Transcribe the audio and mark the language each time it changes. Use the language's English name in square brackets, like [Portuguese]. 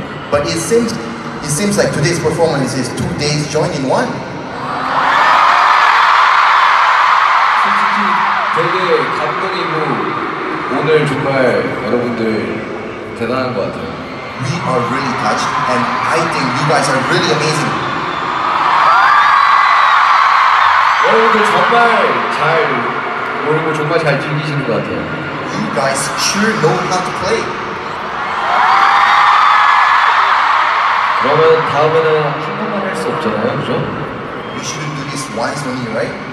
[English] But it seems like today's performance is 2 days joined in one. [Korean] 솔직히 되게 감동이고 오늘 정말 여러분들 대단한 것 같아요. [English] We are really touched and I think you guys are really amazing. [Korean] 여러분들 정말 잘 모르고 정말 잘 즐기시는 것 같아요. [English] You guys sure know how to play. [Korean] 그러면 다음에는 한 번만 할 수 없잖아요, 그죠? [English] We shouldn't do this once only, right?